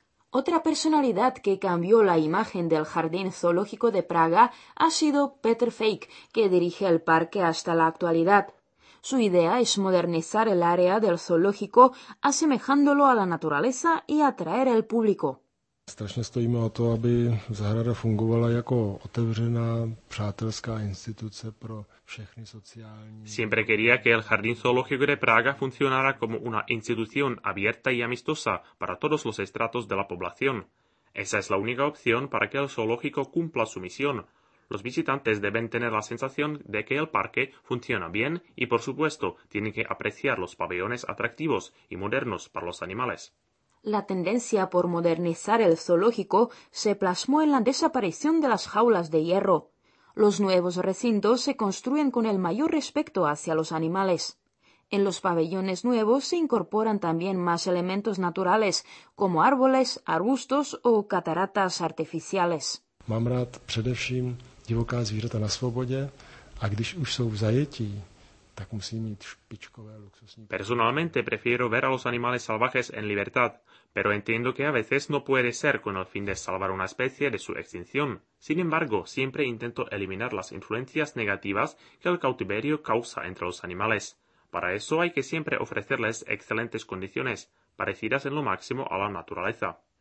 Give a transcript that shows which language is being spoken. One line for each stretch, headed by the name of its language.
Spanish: Otra personalidad que cambió la imagen del Jardín Zoológico de Praga ha sido Peter Feig, que dirige el parque hasta la actualidad. Su idea es modernizar el área del zoológico, asemejándolo a la naturaleza y atraer al público.
Czech: Strašně stojíme o to, aby zahrada fungovala jako otevřená, přátelská instituce pro všechny sociální.
Spanish: Siempre quería que el Jardín Zoológico de Praga funcionara como una institución abierta y amistosa para todos los estratos de la población. Esa es la única opción para que el zoológico cumpla su misión. Los visitantes deben tener la sensación de que el parque funciona bien y, por supuesto, tienen que apreciar los pabellones atractivos y modernos para los animales. La tendencia por modernizar el zoológico se plasmó en la desaparición de las jaulas de hierro. Los nuevos recintos se construyen con el mayor respeto hacia los animales. En los pabellones nuevos se incorporan también más elementos naturales, como árboles, arbustos o cataratas artificiales.
Czech: Mám rád především divoká zvířata na svobodě, a když už jsou v zajetí, tak musí mít špičkové luxusní.
Spanish: Personalmente prefiero ver a los animales salvajes en libertad, pero entiendo que a veces no puede ser con el fin de salvar una especie de su extinción. Sin embargo, siempre intento eliminar las influencias negativas que el cautiverio causa entre los animales. Para eso hay que siempre ofrecerles excelentes condiciones, parecidas en lo máximo a la naturaleza.